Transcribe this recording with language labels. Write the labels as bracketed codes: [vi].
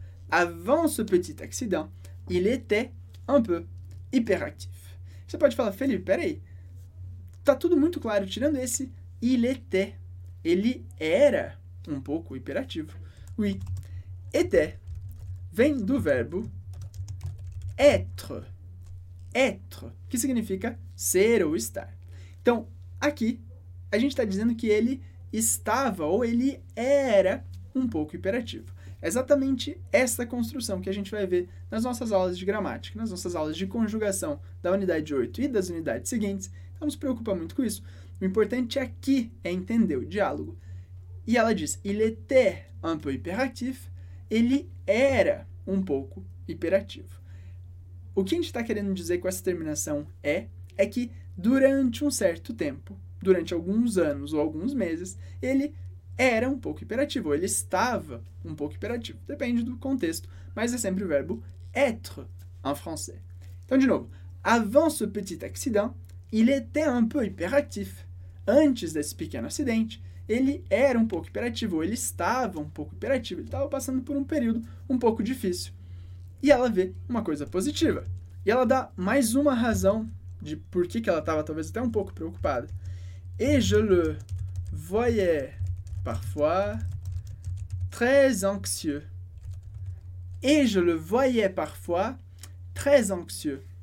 [fr] Avant ce petit accident, il était un peu hyperactif. [pt] Você pode falar, Felipe, peraí, tá tudo muito claro, tirando esse il était. Ele era um pouco hiperativo. [fr] Oui. [pt] Était vem do verbo être. Être, que significa ser ou estar. Então, aqui, a gente está dizendo que ele estava ou ele era um pouco hiperativo. Exatamente essa construção que a gente vai ver nas nossas aulas de gramática, nas nossas aulas de conjugação da unidade 8 e das unidades seguintes. Então, não se preocupa muito com isso. O importante aqui é entender o diálogo. E ela diz, [fr] il était un peu hyperactif, [pt] ele era um pouco hiperativo. O que a gente está querendo dizer com essa terminação é que durante um certo tempo, durante alguns anos ou alguns meses, ele era um pouco hiperativo, ou ele estava um pouco hiperativo. Depende do contexto, mas é sempre o verbo être [fr] en français. [pt] Então, de novo, [fr] avant ce petit accident, il était un peu hyperactif. [pt] Antes desse pequeno acidente, ele era um pouco hiperativo, ou ele estava um pouco hiperativo, ele estava passando por um período um pouco difícil. E ela vê uma coisa positiva. E ela dá mais uma razão de por que ela estava talvez até um pouco preocupada. [fr] Et je le voyais parfois très anxieux. Et je le voyais parfois très anxieux.